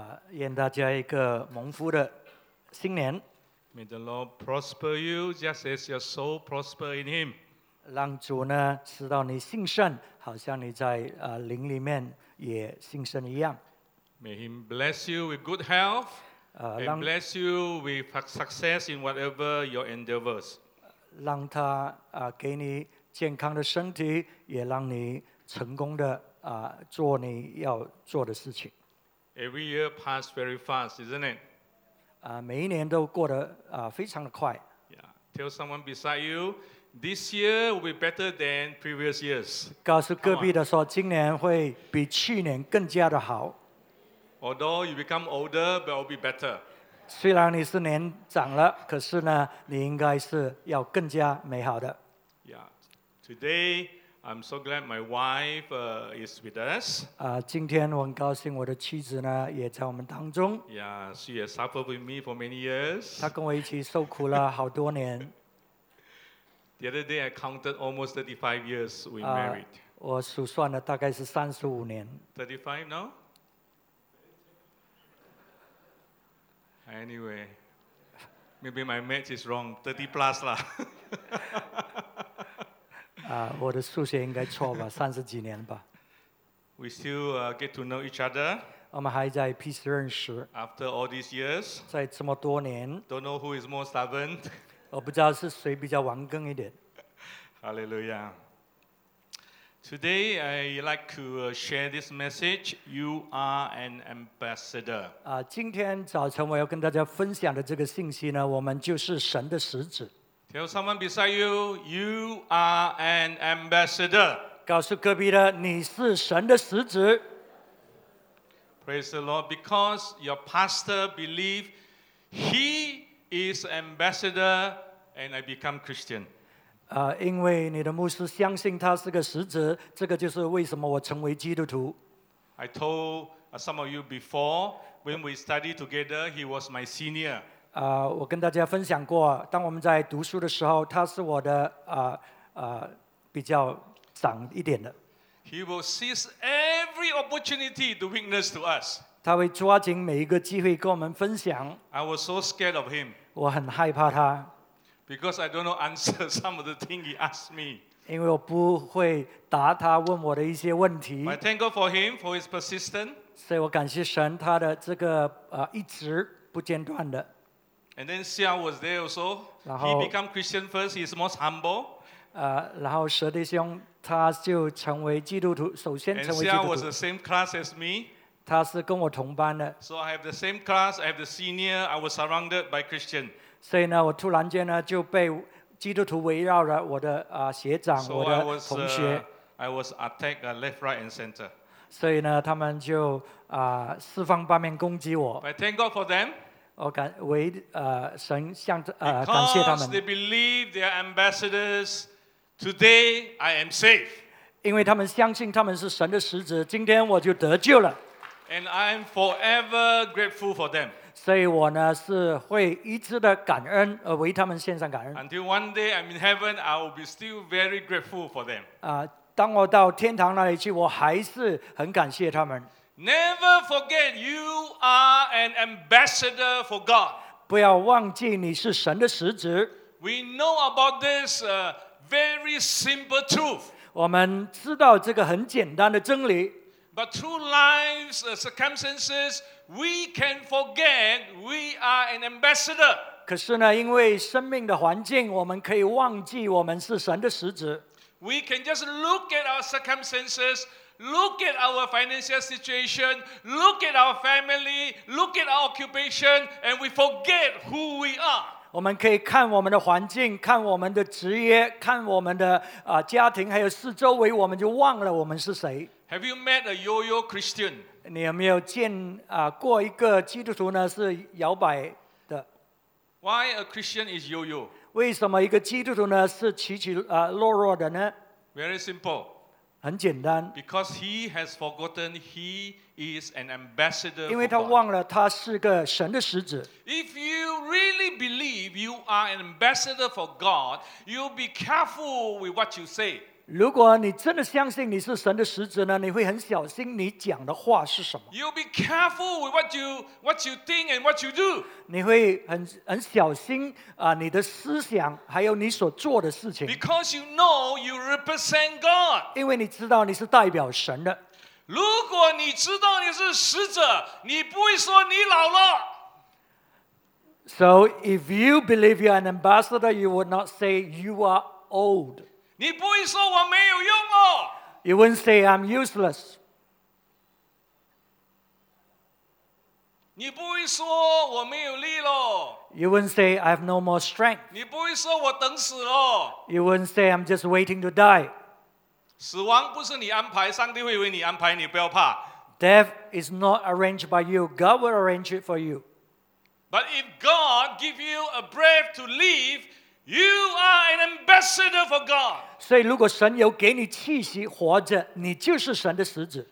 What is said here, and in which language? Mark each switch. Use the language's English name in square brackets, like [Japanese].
[Chinese] 愿大家一个蒙福的新年。 [English] May the Lord prosper you, just as your soul prosper in Him. [Chinese] 让主呢使到你兴盛，好像你在灵里面也兴盛一样。 [English] May Him bless you with good health. And bless you with success in whatever your endeavors. [Chinese] 让他给你健康的身体，也让你成功的做你要做的事情。 [English] Every year passes very fast, isn't it? [Chinese] 每一年都过得非常的快。 [English] Yeah. Tell someone beside you, this year will be better than previous years. [Chinese] 告诉隔壁的说，今年会比去年更加的好。 [English] Although you become older, but it will be better. [Chinese] 虽然你是年长了，可是呢，你应该是要更加美好的。 [English] Yeah. Today, I'm so glad my wife is with us. [Chinese] 今天我很高兴我的妻子呢也在我们当中。 [English] Yeah, she has suffered with me for many years. [Chinese] 她跟我一起受苦了好多年。 [English] The other day, I counted almost 35 years we married. [Chinese] 我数算了大概是35年。 [English] 35 now? Anyway, maybe my math is wrong. 30 plus lah. [Chinese] 我的数学应该错吧，三十几年吧。 [English] We still get to know each other. [Chinese] 我们还在彼此认识。 [English] After all these years, [Chinese] 在这么多年。 [English] Don't know who is more stubborn. [Chinese] 我不知道是谁比较顽梗一点。 [English] Hallelujah. Today I like to share this message. You are an ambassador. [Chinese] 今天早晨我要跟大家分享的这个信息呢，我们就是神的使者。 [English] Tell someone beside you, you are an ambassador. [Chinese] 告诉隔壁的，你是神的使者。 [English] Praise the Lord, because your pastor believes he is ambassador, and I become Christian. [Chinese] 因为你的牧师相信他是个使者，这个就是为什么我成为基督徒。 [English] I told some of you before when we studied together, he was my senior. [Chinese] 我跟大家分享过，当我们在读书的时候，他是我的比较长一点的。 [English] He will seize every opportunity to witness to us. [Chinese] 他会抓紧每一个机会跟我们分享。 [English] I was so scared of him. [Chinese] 我很害怕他。 [English] Because I don't know answer some of the things he asked me. [Chinese] 因为我不会答他问我的一些问题。 [English] But I thank God for him for his persistence. [Chinese] 所以我感谢神，他的这个一直不间断的。 [English] And then Xia was there also. He became Christian first. He is most humble. [Chinese] 然后蛇弟兄他就成为基督徒，首先成为基督徒。 [English] And Xia was the same class as me. [Chinese] 他是跟我同班的。 [English] So I have the same class. I have the senior. I was surrounded by Christian. [Chinese] 所以呢，我突然间呢就被基督徒围绕了，我的学长，我的同学。 [English] I was attacked left, right, and center. [Chinese] 所以呢，他们就四方八面攻击我。 [English] But thank God for them. Because they believe they are ambassadors, today I am safe. [Chinese] 因为他们相信他们是神的使者，今天我就得救了。 [English] And I am forever grateful for them. [Chinese] 所以我呢是会一直的感恩，为他们献上感恩。 [English] Until one day I'm in heaven, I will be still very grateful for them. [Chinese] 当我到天堂那里去，我还是很感谢他们。 [English] Never forget you are an ambassador for God. [Chinese] 不要忘记你是神的使者。 [English] We know about this very simple truth. [Chinese] 我们知道这个很简单的真理。 [English] But through life's circumstances, we can forget we are an ambassador. [Chinese] 可是呢，因为生命的环境，我们可以忘记我们是神的使者。 [English] We can just look at our circumstances. Look at our financial situation, look at our family, look at our occupation, and we forget who we are. [Chinese] 我们可以看我们的环境，看我们的职业，看我们的家庭，还有四周围，我们就忘了我们是谁。 [English] Have you met a yo-yo Christian? [Chinese] 你有没有见过一个基督徒呢？是摇摆的。 [English] Why a Christian is yo-yo? [Chinese] 为什么一个基督徒呢？是起起落落的呢？ [English] Very simple. [Chinese] 很简单 [English] because he has forgotten he is an ambassador. [Chinese] 因为他忘了他是个神的使者。 [English] If you really believe you are an ambassador for God, you'll be careful with what you say. [Chinese] 如果你真的相信你是神的使者呢，你会很小心你讲的话是什么。 [English] You'll be careful with what you think and what you do. [Chinese] 你会很小心啊，你的思想还有你所做的事情。 [English] Because you know you represent God. [Chinese] 因为你知道你是代表神的。如果你知道你是使者，你不会说你老了。 [English] So if you believe you're an ambassador, you would not say you are old. [Chinese] 你不会说我没有用哦。 [English] You wouldn't say I'm useless. [Chinese] 你不会说我没有力咯。 [English] You wouldn't say I have no more strength. [Chinese] 你不会说我等死咯。 [English] You wouldn't say I'm just waiting to die. [Chinese] 死亡不是你安排，上帝会为你安排，你不要怕。 [English] Death is not arranged by you. God will arrange it for you. But if God gives you a breath to live, you are an ambassador for God. [Chinese] 所以如果神有给你气息活着，你就是神的使者。